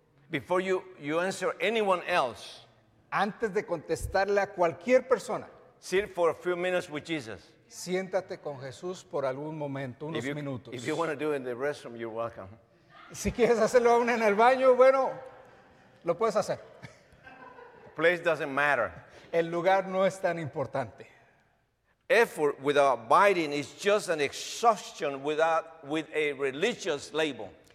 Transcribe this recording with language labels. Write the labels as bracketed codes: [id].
[en] Before you answer anyone else. [es] Antes de contestarle a cualquier persona. [en] Sit for a few minutes with Jesus. [es] Siéntate con Jesús por algún momento, unos minutos. [en] If you want to do it in the restroom, you're welcome. [es] Si quieres hacerlo aún en el baño, bueno, lo puedes hacer. [en] Place doesn't matter. [es] El lugar no es tan importante. [en] Effort without abiding is just an exhaustion with a religious label.